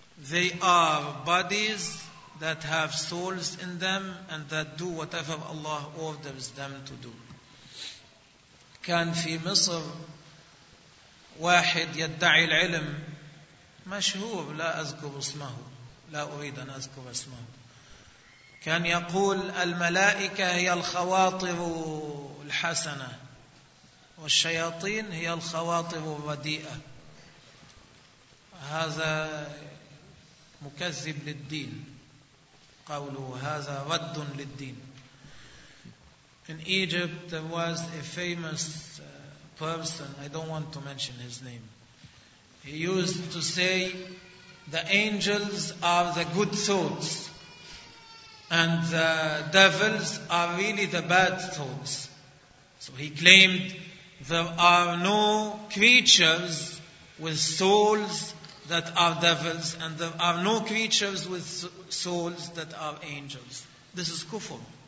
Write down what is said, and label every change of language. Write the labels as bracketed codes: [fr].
[en] they are bodies that have souls in them and that do whatever Allah orders them to do. [ar] كان في مصر واحد يدعي العلم مشهور لا أذكر اسمه لا أريد أن أذكر اسمه كان يقول الملائكة هي الخواطر الحسنة والشياطين هي الخواطر الرديئة هذا مكذب للدين قوله هذا رد للدين [en] In Egypt there was a famous person, I don't want to mention his name. He used to say, the angels are the good thoughts and the devils are really the bad thoughts. So he claimed there are no creatures with souls that are devils and there are no creatures with souls that are angels. This is kufr.